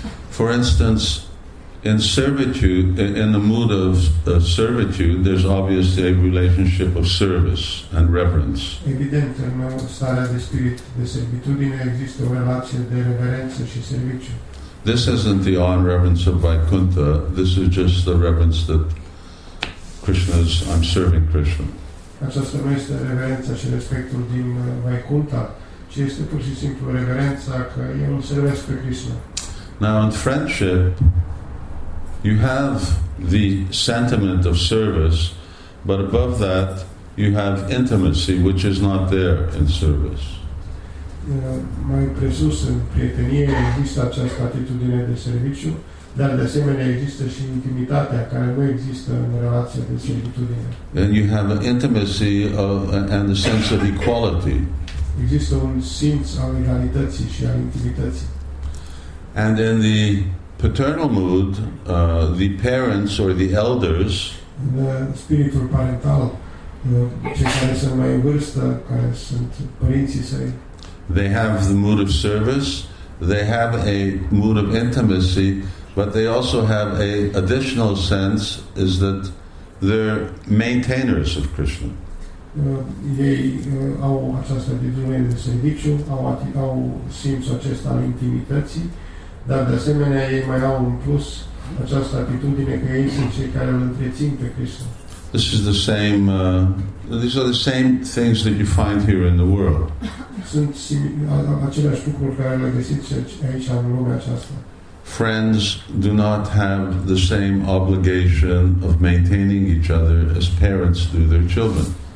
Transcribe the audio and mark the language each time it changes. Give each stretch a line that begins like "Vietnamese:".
English: For instance, in servitude, in the mood of servitude, there's obviously a relationship of service and reverence.
Romanian: Evident, în starea de spirit de servitudine există o relație de reverență și serviciu.
English: This isn't the awe and reverence of Vaikuntha. This is just the reverence that Krishna's, I'm serving Krishna.
Romanian: Aceasta nu este reverența și respectul din Vaikuntha, ci este pur și simplu reverența că eu servesc pe Krishna.
English: Now, in friendship, you have the sentiment of service, but above that, you have intimacy, which is not there in service.
Romanian: Mai presus în prietenie există această atitudine de serviciu, dar de asemenea există și intimitatea care nu există în relația de servitudine.
English: And you have an intimacy of, and a sense of equality.
Romanian: Există un simț al egalității și al intimității.
English: And in the paternal mood, the parents or the elders, the spiritual parental,
Romanian: care sunt mai vârstă, care sunt părinții săi,
English: they have the mood of service, they have a mood of intimacy, but they also have an additional sense, is that they're maintainers of Krishna.
Romanian: Ei au această atitudine de serviciu, au simțul acesta al intimității. Dar de asemenea ei mai au un plus, această atitudine că ei sunt cei care îl întrețin pe Krishna.
English: This is the same, these are the same things that you find here in the world.
Romanian: Sunt aceleași lucruri care le găsiți aici în lumea aceasta.
English: friends do not have the same obligation of maintaining each other as parents do their children.